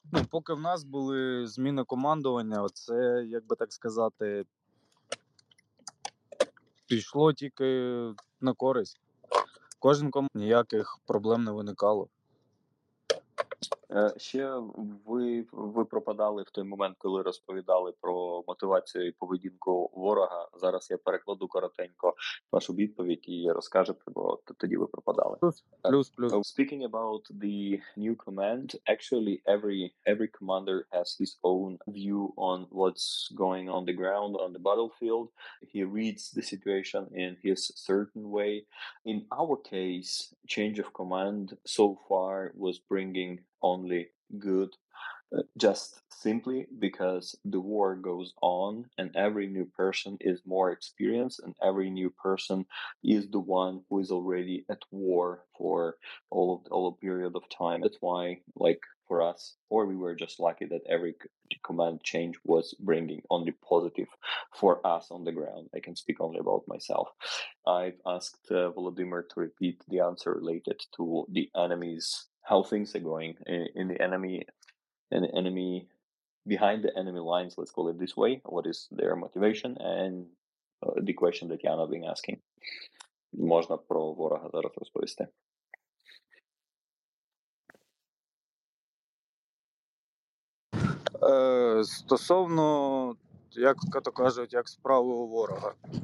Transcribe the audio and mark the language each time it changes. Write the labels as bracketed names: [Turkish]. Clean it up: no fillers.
[Ukrainian] Поки в нас були зміни командування, це, як би так сказати, пішло тільки на користь. Кожен ніяких проблем не виникало. Ще ви пропадали в той момент, коли розповідали про мотивацію і поведінку ворога. Зараз я перекладу коротенько вашу відповідь і розкажу про тоді ви пропадали. Плюс. [English] Speaking about the new command, actually every commander has his own view on what's going on the ground, on the battlefield. He reads the situation in his certain way. In our case, change of command so far was bringing only good, just simply because the war goes on and every new person is more experienced and every new person is the one who is already at war for all a period of time. That's why, like, for us, or we were just lucky that every command change was bringing only positive for us on the ground. I can speak only about myself. I've asked Volodymyr to repeat the answer related to the enemy's, how things are going in the enemy, and enemy behind the enemy lines, let's call it this way, what is their motivation, and the question that Jan has been asking. [Ukrainian] Можна про ворога зараз розповісти. Стосовно, як то кажуть, як справи у ворога.